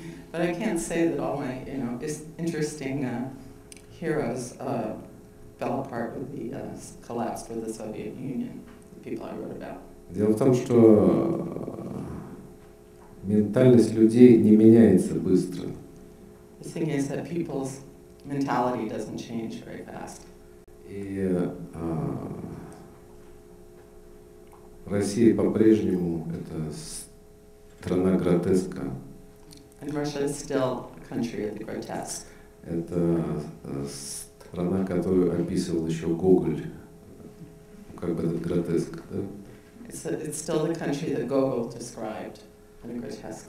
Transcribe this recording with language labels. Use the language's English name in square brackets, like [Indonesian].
[English] But I can't say that all my, you know, interesting heroes fell apart with the collapse of the Soviet Union, the people I wrote about. [Russian] Дело в том, что ментальность людей не меняется быстро. [English] The thing is that people's mentality doesn't change very fast. [Russian] И Россия по-прежнему это страна гротеска. [English] And Russia is still a country of the grotesque. [Russian] Это страна, которую описывал еще Гоголь, как бы этот гротеск, да? [English] It's still the country that Gogol described in a grotesque.